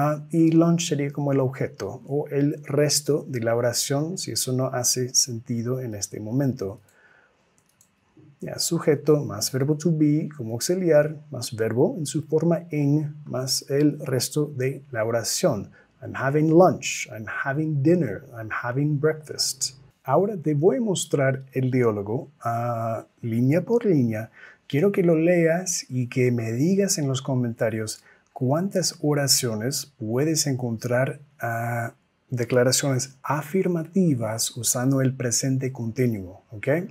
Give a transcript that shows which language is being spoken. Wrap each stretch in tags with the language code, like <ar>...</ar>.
<es>Y lunch sería como el objeto o el resto de la oración, si eso no hace sentido en este momento. Ya, sujeto más verbo to be como auxiliar, más verbo en su forma in, más el resto de la oración.</es> <en>I'm having lunch, I'm having dinner, I'm having breakfast.</en> <es>Ahora te voy a mostrar el diálogo línea por línea. Quiero que lo leas y que me digas en los comentarios cuántas oraciones puedes encontrar declaraciones afirmativas usando el presente continuo, ¿ok?</es>